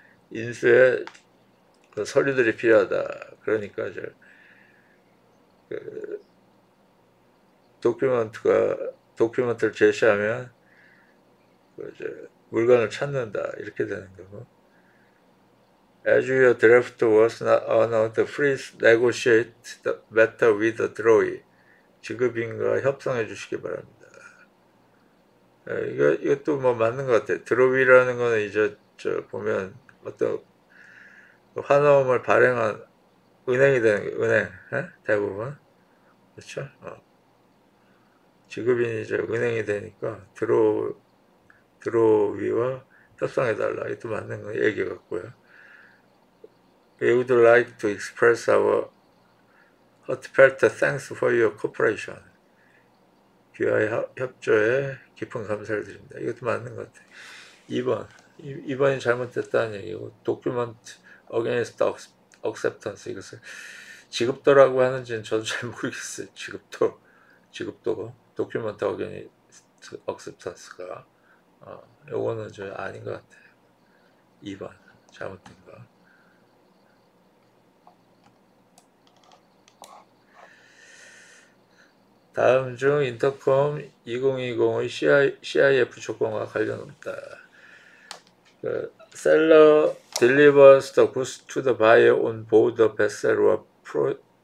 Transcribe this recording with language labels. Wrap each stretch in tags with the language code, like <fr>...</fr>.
<ko>인수에 그 서류들이 필요하다. 그러니까 도큐먼트를 제시하면 물건을 찾는다. 이렇게 되는 거고.</ko> <en>As your draft was not honored, please negotiate the matter with the drawee.</en> <ko>지급인과 협상해 주시기 바랍니다. 이것도 뭐 맞는 것 같아요. 드로비라는 거는 보면 어떤 환호음을 발행한 은행이 되는 게 은행, 대부분. 그렇죠? 지급인이 은행이 되니까 드로비와 협상해 달라. 이것도 맞는 거 얘기 같고요.</ko> <en>We would like to express our heartfelt thanks for your cooperation.</en> <ko>귀하의 협조에 깊은 감사를 드립니다. 이것도 맞는 것 같아요. 2번이 잘못됐다는 얘기고, Document Against Acceptance. 이것을 지급도라고 하는지는 저도 잘 모르겠어요. 지급도. Document Against Acceptance가. 요거는 아닌 것 같아요. 2번. 잘못된 거. 다음 중 인터컴 2020의 CIF 조건과 관련 없다.</ko> <en>Seller delivers the goods to the buyer on board the vessel or procures</en>